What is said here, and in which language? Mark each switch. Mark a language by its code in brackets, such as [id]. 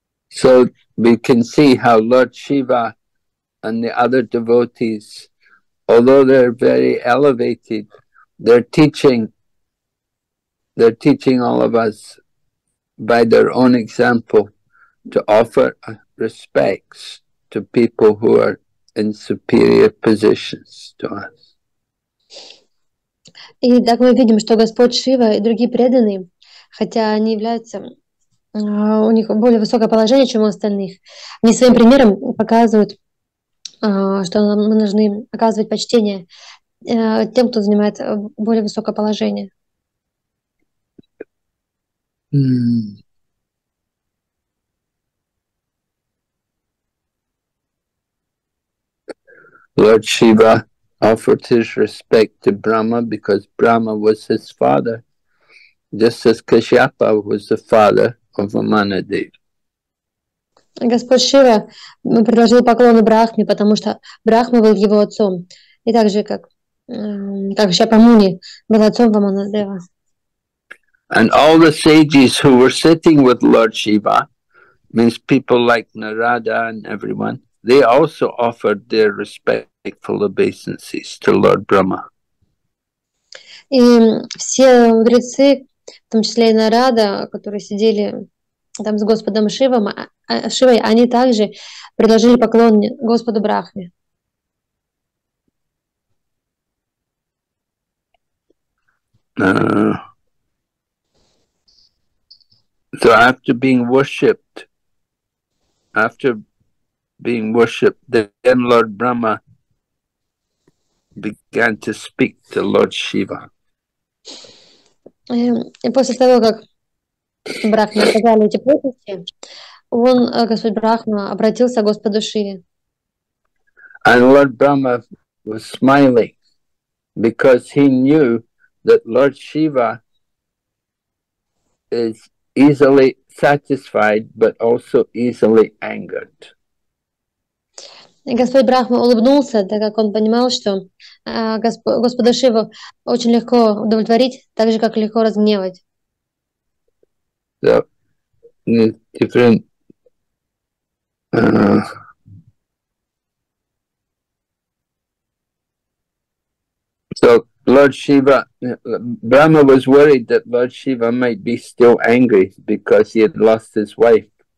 [en] So we can see how Lord Shiva and the other devotees, although they're very elevated, they're teaching all of us by their own example to offer respects to people who are in superior positions to us. [ru] И так мы видим, что Господь Шива и другие преданные, хотя они являются у них более высокое положение, чем у остальных, они своим примером показывают, что мы должны оказывать почтение тем, кто занимает более высокое положение. [en] Lord Shiva offered his respect to Brahma because Brahma was his father, just as Kashyapa was the father of Amanadev. [ru] Господь Шива предложил поклоны Брахме, потому что Брахма был его отцом, и так же, как Шапамуни был отцом Аманадева. [en] And all the sages who were sitting with Lord Shiva, means people like Narada and everyone, they also offered their respectful obeisances to Lord Brahma. [ru] И все мудрецы, в том числе и Нарада, которые сидели там с Господом Шивой, они также предложили поклон Господу Брахме. [en] So after being worshipped, then Lord Brahma began to speak to Lord Shiva. [ru] И после того, как Брахма сказал эти почести, он, Господь Брахма, обратился к Господу Шиве. [en] And Lord Brahma was smiling because he knew that Lord Shiva is easily satisfied, but also easily angered. [ru] Господь Брахма улыбнулся, так как он понимал, что Господа Шиву очень легко удовлетворить, так же, как легко разгневать. [en] So, different So, Lord Shiva, Brahma was worried that Lord Shiva might be still angry because he had lost his wife.